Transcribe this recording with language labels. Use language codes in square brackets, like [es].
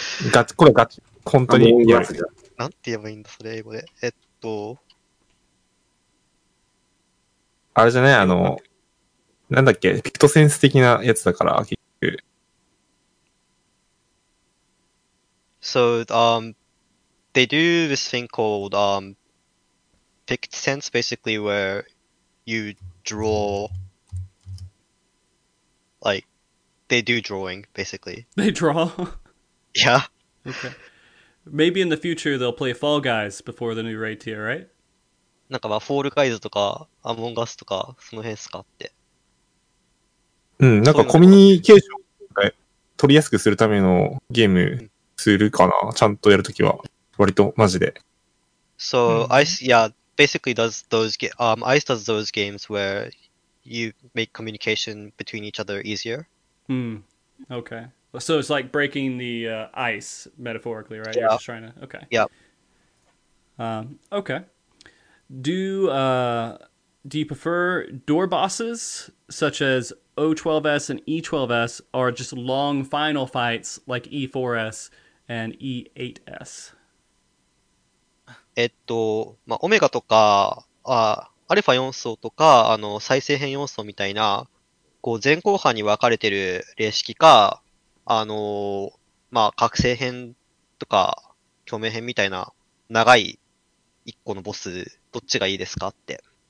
[ja] ガチ、これガチ。本当にやるやつじゃん。なんて言えばいいんだ、それ英語で。あれじゃない、なんだっけ、ピクトセンス的なやつだから、結局。 [en] So, they do this thing called, Pict Sense, basically, where you draw, like, they do drawing, basically. They draw? Yeah. Okay. Maybe in the future they'll play Fall Guys before the new raid tier, right? [ja] なんかまあ、フォールガイズとか、アモンガスとか、その辺っすかって。うん、なんかコミュニケーション取りやすくするためのゲームするかな、うん、ちゃんとやるときは。割とマジで。 [en] So,、うん、ICE, yeah, basically does those, ICE does those games where you make communication between each other easier. うん。Okay. So it's like breaking the, ice, metaphorically, right? Yeah. You're just trying to, okay. Yeah. Okay. Do you prefer door bosses such as O12S and E12S or just long final fights like E4S and E8S. [ja] まあ、オメガとか、アルファ4層とか、再生編4層みたいな、こう、前後半に分かれてる霊式か、まあ、覚醒編とか、共鳴編みたいな、長い1個のボス、どっちがいいですかって。